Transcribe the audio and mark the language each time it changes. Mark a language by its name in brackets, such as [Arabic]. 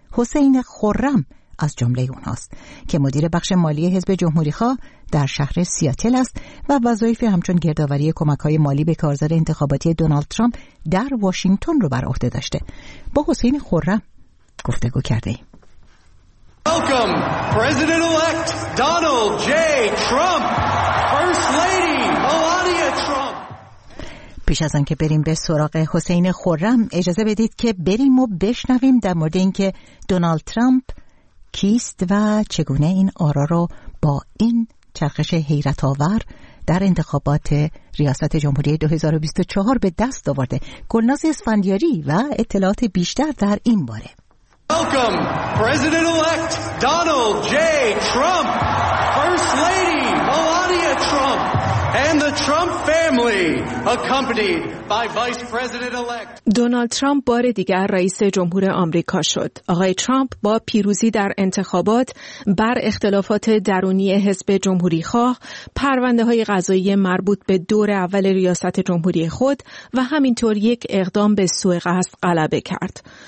[Persian] حسین خرم از جمله اوناست که مدیر بخش مالی حزب جمهوری‌خواه در شهر سیاتل است و وظایفی همچون گردآوری کمک‌های مالی به کارزار انتخاباتی دونالد ترامپ در واشنگتن رو بر عهده داشته. با حسین خرم گفتگو کرده‌ایم. [English] Welcome President elect Donald J. Trump. First Lady Melania Trump. [Persian] پیش از اینکه بریم به سراغ حسین خرم، اجازه بدید که بریم و بشنویم در مورد اینکه دونالد ترامپ کیست و چگونه این آرا رو با این چرخش حیرت آور در انتخابات ریاست جمهوری 2024 به دست آورده. گلناز اسفندیاری و اطلاعات بیشتر در این باره. [English] Welcome President elect Donald J. Trump, First Lady Melania Trump and the Trump family accompanied by Vice President elect. [Persian] دونالد ترامپ بار دیگر رئیس جمهور آمریکا شد. آقای ترامپ با پیروزی در انتخابات بر اختلافات درونی حزب جمهوری خواه، پرونده‌های قضایی مربوط به دور اول ریاست جمهوری خود و همینطور یک اقدام به سوء قصد غلبه کرد.